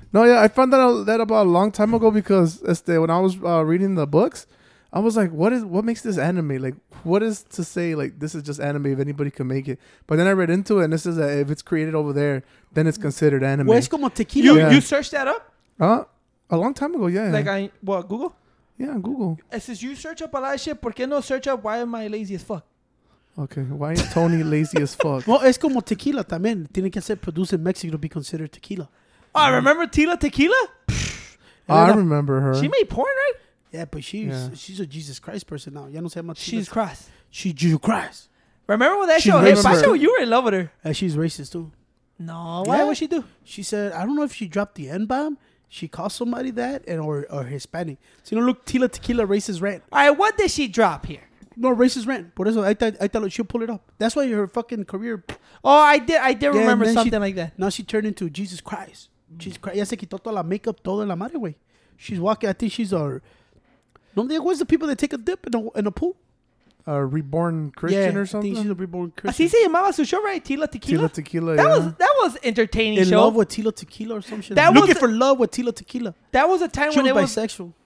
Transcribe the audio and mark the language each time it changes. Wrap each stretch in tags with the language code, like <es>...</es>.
<en>No, yeah, I found out that about a long time ago because when I was reading the books, I was like, what makes this anime? Like, what is to say, like, this is just anime if anybody can make it? But then I read into it, and this is that if it's created over there, then it's considered anime. Well, it's</en> <es>como</es> <en>tequila. You searched that up? A long time ago, yeah. Like, Google? Yeah, Google. It says you search up a lot of shit.</en> <es>¿Por qué no</es> <en>search up why am I lazy as fuck? Okay, why is Tony lazy as fuck?</en> <es>Well, es como tequila también. Tiene que ser</es> <en>produced in Mexico to be considered tequila. Oh, I remember Tila Tequila? I remember her. She made porn, right? Yeah, but she's a Jesus Christ person now.</en> <es>Ya no sé más.</es> <en>She's Christ. She's Jesus Christ. Remember when that show? Hey, Pacho, you were in love with her. And she's racist, too. No, why would she do? She said, I don't know if she dropped the N-bomb. she calls somebody that and or Hispanic. So you know, look, Tila Tequila racist rant. All right, what did she drop here? No racist rant.</en> <es>Por eso,</es> <en>I thought she'll pull it up. That's why her fucking career. Oh, I did remember something like that. Now she turned into Jesus Christ. She's</en> <es>ya se quitó toda la makeup, toda la madre, güey.</es> <en>She's walking. I think she's a. No, where's the people that take a dip in a pool? A reborn Christian, yeah, or something. I think she's a reborn Christian.</en> <es>Así se llamaba su show,</es> <en>right?</en> <es>Tila Tequila.</es> <en>Tila Tequila. That yeah. was entertaining. In show. Love with Tila Tequila or some shit. That like. Looking for love with Tila Tequila. That was a time she when was it bisexual.</en>